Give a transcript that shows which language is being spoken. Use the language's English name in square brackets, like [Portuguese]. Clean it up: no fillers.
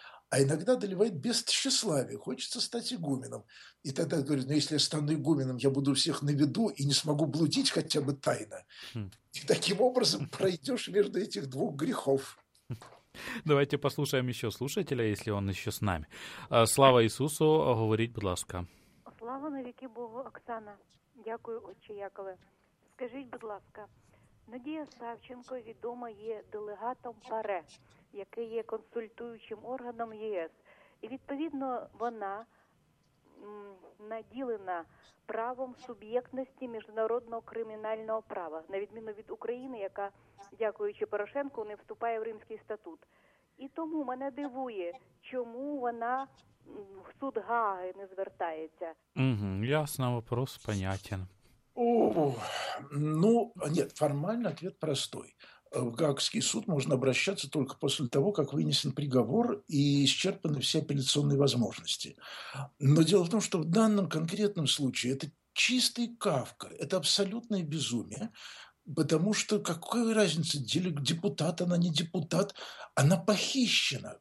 [Russian] А иногда доливает без тщеславия, хочется стать игуменом. И тогда говорит, ну если я стану игуменом, я буду всех на виду и не смогу блудить хотя бы тайно. И таким образом пройдешь между этих двух грехов. Давайте послушаем еще слушателя, если он еще с нами. [Ukrainian] Слава Ісусу, говорить, будь ласка. Слава навіки Богу, Оксана. Дякую, отче Якове. Скажіть, будь ласка, Надія Савченко відома є делегатом ПАРЕ, який є консультуючим органом ЄС. І, відповідно, вона наділена правом суб'єктності міжнародного кримінального права, на відміну від України, яка, дякуючи Порошенку, не вступає в Римський статут. І тому мене дивує, чому вона в суд Гааги не звертається. [Russian] Ясно, вопрос понятен. Ну, нет, формально ответ простой. В Гаагский суд можно обращаться только после того, как вынесен приговор и исчерпаны все апелляционные возможности. Но дело в том, что в данном конкретном случае это чистый Кафка, это абсолютное безумие, потому что какая разница, депутат она, не депутат, она похищена.